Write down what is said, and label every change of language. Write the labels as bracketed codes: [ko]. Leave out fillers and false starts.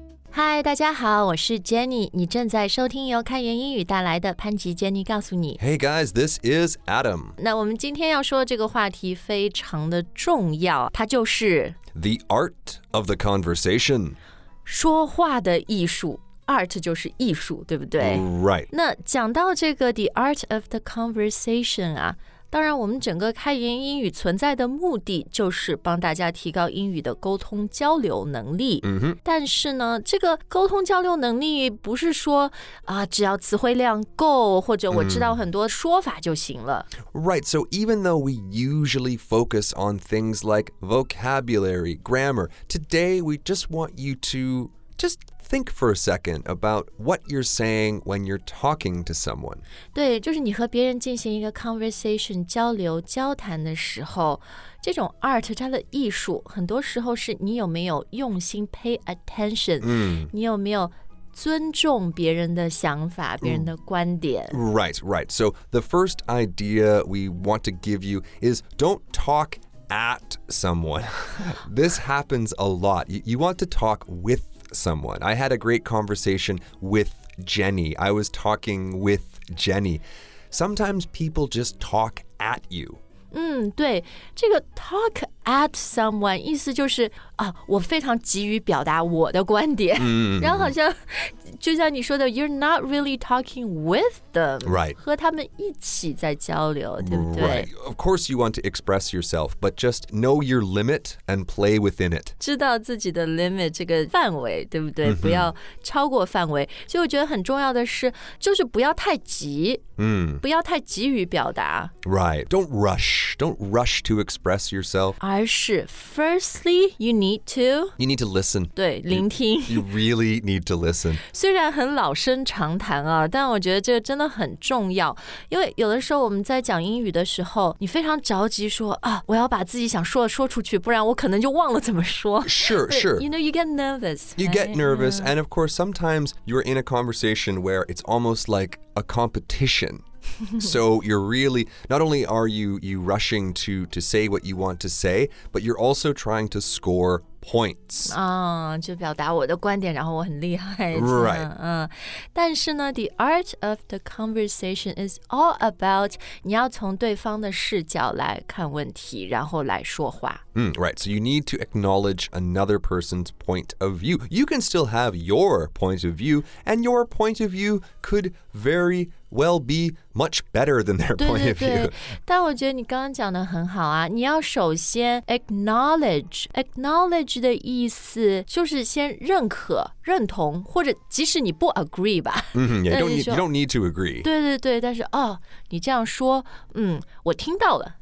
[zh] 嗨，大家好，我是 Jenny， 你正在收听由开源英语带来的潘吉 Jenny 告诉你。 [en] Hey guys, this is Adam. [zh] 那我们今天要说的这个话题非常的重要，它就是 [en] The art of the conversation. [zh] 说话的艺术。 Art 就是艺术，对不对 [en] ？Right. [zh] 那讲到这个 [en] the art of the conversation [zh] 啊，当然我们整个开源英语存在的目的就是帮大家提高英语的沟通交流能力。 Mm-hmm. 但是呢，这个沟通交流能力不是说啊，只要词汇量够或者我知道很多说法就行了。 [en] Right. So even though we usually focus on things like vocabulary, grammar, today we just want you to just. Think for a second about what you're saying when you're talking to someone. [zh] 对，就是你和别人进行一个 conversation 交流交谈的时候，这种 art 它的艺术，很多时候是你有没有用心 [en] pay attention， [zh] 你有没有尊重别人的想法，别人的观点。 [en] Right, right. So the first idea we want to give you is don't talk. At someone. This happens a lot. You want to talk with someone. I had a great conversation with Jenny. I was talking with Jenny. Sometimes people just talk at you. [zh] 对，这个 [en] talk at someone [zh] 意思就是啊，我非常急于表达我的观点。然后好像就像你说的 [en] you're not really talking with them. Right. [zh] 和他们一起在交流，对不对？ [en] Right. Of course you want to express yourself, but just know your limit and play within it. [zh] 知道自己的 limit 这个范围，对不对？不要超过范围。所以我觉得很重要的是，就是不要太急。不要太急于表达。 [en] Right. Don't rush. Don't rush to express yourself. [zh] 而是 [en] firstly, you need to. You need to listen. [zh] 对，聆听。 [en] You really need to listen. [zh] 虽然很老生常谈啊，但我觉得这个真的很重要，因为有的时候我们在讲英语的时候，你非常着急说啊，我要把自己想说的说出去，不然我可能就忘了怎么说。 [en] Sure, sure. You know, you get nervous. You get nervous, and of course, sometimes you're in a conversation where it's almost like a competition. So you're really, not only are you rushing to say what you want to say, but you're also trying to score points. [zh] 就表达我的观点，然后我很厉害。 [en] Right. [zh] 但是呢 [en] the art of the conversation is all about [zh] 你要从对方的视角来看问题，然后来说话。 [en] Right. So you need to acknowledge another person's point of view. You can still have your point of view, and your point of view could very well be much better than their point of view. [zh] 但我觉得你刚刚讲的很好啊，你要首先 acknowledge 的意思就是先认可认同，或者即使你不 agree 吧。 [en] You don't need to agree. [zh] 对对对，但是哦，你这样说，我听到了。